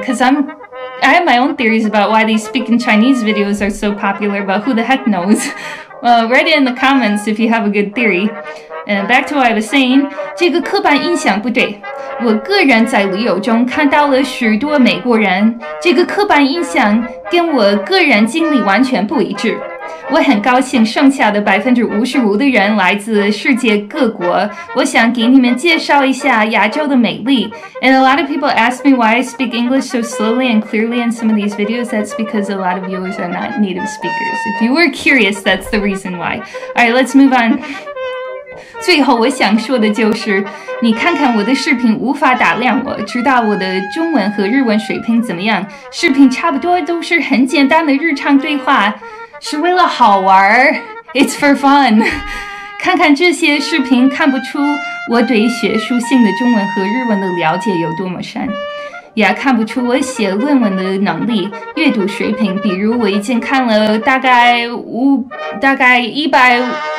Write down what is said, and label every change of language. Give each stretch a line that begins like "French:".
English: Because I have my own theories about why these speaking Chinese videos are so popular, but who the heck knows? Well, write it in the comments if you have a good theory. And back to what I was saying,
Chinese: 这个刻板印象不对。我个人在旅游中看到了许多美国人，这个刻板印象跟我个人经历完全不一致。我很高兴剩下的 55% 的人来自世界各国。我想给你们介绍一下亚洲的美丽。
English: And a lot of people ask me why I speak English so slowly and clearly in some of these videos. That's because a lot of viewers are not native speakers. If you were curious, that's the reason why. All right, let's move on.
Chinese: 最后我想说的就是你看看我的视频无法打量我知道我的中文和日文水平怎么样视频差不多都是很简单的日常对话是为了好玩
English: It's for fun
Chinese: 看看这些视频看不出我对学术性的中文和日文的了解有多么深也看不出我写论文的能力阅读水平比如我已经看了大概150